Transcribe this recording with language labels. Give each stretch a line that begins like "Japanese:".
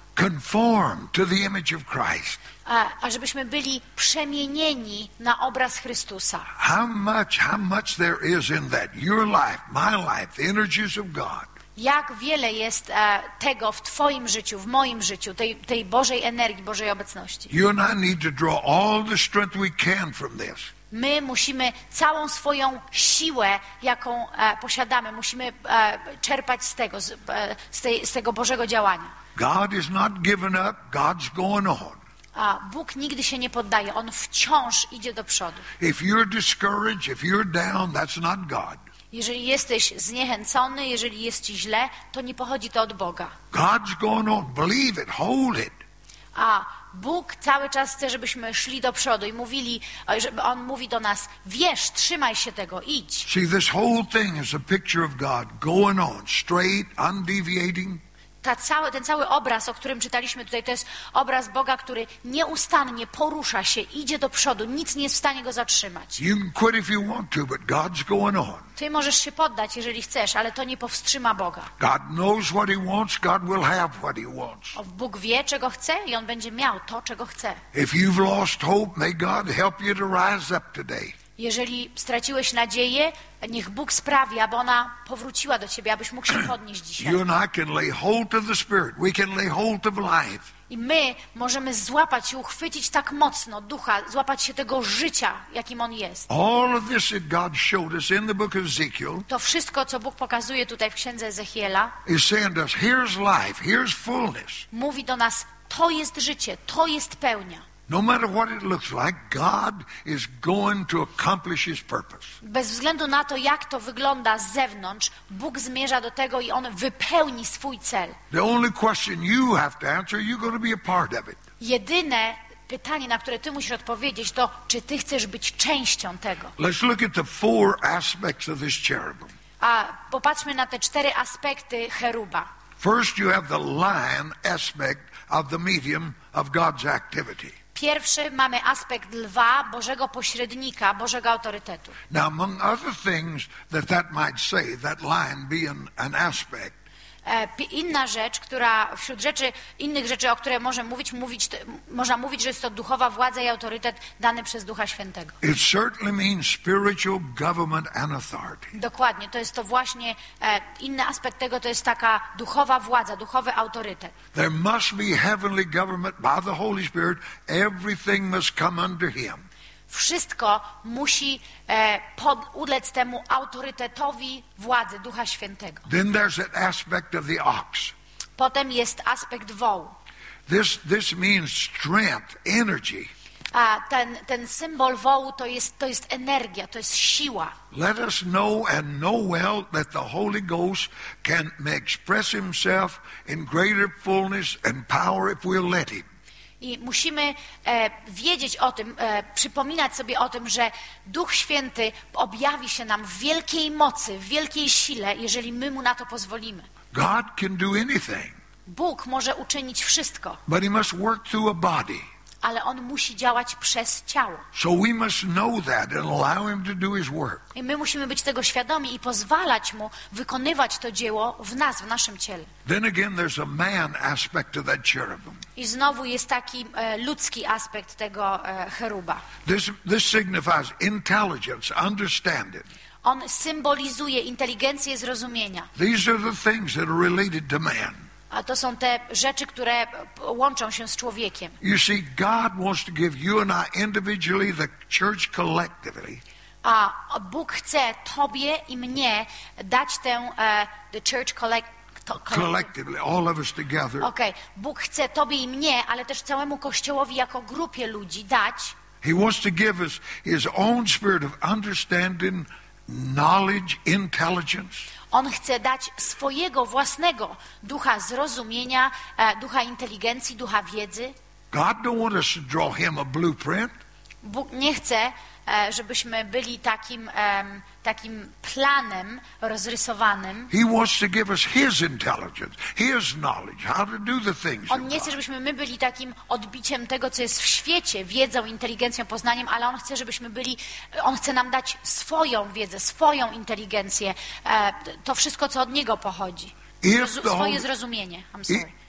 English: conform to the image of Christ.
Polish: A żebyśmy byli przemienieni na obraz Chrystusa.
English: How much there is in that? Your life, my life, the energies of God.
Polish: Jak wiele jest tego w twoim życiu, w moim życiu, tej Bożej energii, Bożej obecności.
English: You and I need to draw all the strength we can from this.
Polish: My musimy całą swoją siłę, jaką posiadamy, musimy czerpać z tego, z tego Bożego działania.
English: God is not giving up, God's going on.
Polish: A Bóg nigdy się nie poddaje, On wciąż idzie do przodu.
English: If you're discouraged, if you're down, that's not God.
Polish: Jeżeli jesteś zniechęcony, jeżeli jest ci źle, to nie pochodzi to od Boga.
English: God's going on, believe it, hold it.
Polish: A Bóg cały czas chce, żebyśmy szli do przodu i mówili, żeby On mówi do nas, wierz, trzymaj się tego, idź.
English: See, this whole thing is a picture of God going on, straight, undeviating.
Polish: Ten cały obraz, o którym czytaliśmy tutaj, to jest obraz Boga, który nieustannie porusza się, idzie do przodu, nic nie jest w stanie go zatrzymać.
English: You can quit if you want to, but God's going on.
Polish: Ty możesz się poddać, jeżeli chcesz, ale to nie powstrzyma Boga.
English: God knows what he wants, God will have what he wants.
Polish: Bóg wie, czego chce i On będzie miał to, czego chce.
English: If you've lost hope, may God help you to rise up today.
Polish: Jeżeli straciłeś nadzieję, niech Bóg sprawi, aby ona powróciła do ciebie, abyś mógł się podnieść dzisiaj.
English: You and I can lay hold of the Spirit. We can lay hold of life.
Polish: I my możemy złapać i uchwycić tak mocno Ducha, złapać się tego życia, jakim On jest.
English: All of this that God showed us in the book of Ezekiel.
Polish: To wszystko, co Bóg pokazuje tutaj w księdze Ezechiela.
English: Is saying to us, here's life, here's fullness.
Polish: Mówi do nas, to jest życie, to jest pełnia.
English: No matter what it looks like, God is going to accomplish His purpose.
Polish: Bez względu na to, jak to wygląda z zewnątrz, Bóg zmierza do tego i On wypełni swój cel.
English: The only question you have to answer, you're going to be a part of it.
Polish: Jedyne pytanie, na które ty musisz odpowiedzieć, to czy ty chcesz być częścią tego.
English: Let's look at the four aspects of this cherubim.
Polish: A popatrzmy na te cztery aspekty cheruba.
English: First, you have the lion aspect of the medium of God's activity.
Polish: Pierwszy mamy aspekt lwa, Bożego pośrednika, Bożego autorytetu.
English: Now, among other things that that might say, that lion being an aspect.
Polish: Inna rzecz, która wśród rzeczy, innych rzeczy, o które może mówić, można mówić, że jest to duchowa władza i autorytet dany przez Ducha Świętego.
English: It certainly means spiritual government and authority.
Polish: Dokładnie, to jest to właśnie inny aspekt tego, to jest taka duchowa władza, duchowy autorytet.
English: There must be heavenly government by the Holy Spirit. Everything must come under Him.
Polish: Wszystko musi ulec temu autorytetowi władzy Ducha Świętego.
English: Then there's an aspect of the ox.
Polish: Potem jest aspekt wołu.
English: This means strength, energy.
Polish: A ten symbol wołu to jest energia, to jest siła.
English: Let us know and know well that the Holy Ghost can express himself in greater fullness and power if we'll let him.
Polish: I musimy wiedzieć o tym, przypominać sobie o tym, że Duch Święty objawi się nam w wielkiej mocy, w wielkiej sile, jeżeli my Mu na to pozwolimy.
English: God can do anything,
Polish: Bóg może uczynić wszystko,
English: but he must work through a body.
Polish: Ale On musi działać przez ciało.
English: So we must know that and allow him to do his work.
Polish: I my musimy być tego świadomi i pozwalać Mu wykonywać to dzieło w nas, w naszym ciele.
English: Then again, there's a man aspect to that cherubim.
Polish: I znowu jest taki ludzki aspekt tego cheruba.
English: This signifies intelligence, understanding.
Polish: On symbolizuje inteligencję zrozumienia.
English: These are the things that are related to man.
Polish: A to są te rzeczy, które łączą się z człowiekiem.
English: You see, God wants to give you and I individually, the church collectively.
Polish: A Bóg chce tobie i mnie dać tę
English: the church collectively, all of us together. Okay.
Polish: Bóg chce tobie i mnie, ale też całemu kościołowi jako grupie ludzi dać.
English: He wants to give us his own spirit of understanding, knowledge, intelligence.
Polish: On chce dać swojego własnego ducha zrozumienia, ducha inteligencji, ducha wiedzy.
English: God don't want us to draw him a blueprint.
Polish: Bóg nie chce, żebyśmy byli takim planem rozrysowanym.
English: He wants to give us his intelligence, his knowledge, how to do the things.
Polish: On nie chce, żebyśmy my byli takim odbiciem tego, co jest w świecie, wiedzą, inteligencją, poznaniem, ale on chce, żebyśmy byli, on chce nam dać swoją wiedzę, swoją inteligencję, to wszystko, co od niego pochodzi. Swoje zrozumienie.
English: I'm sorry.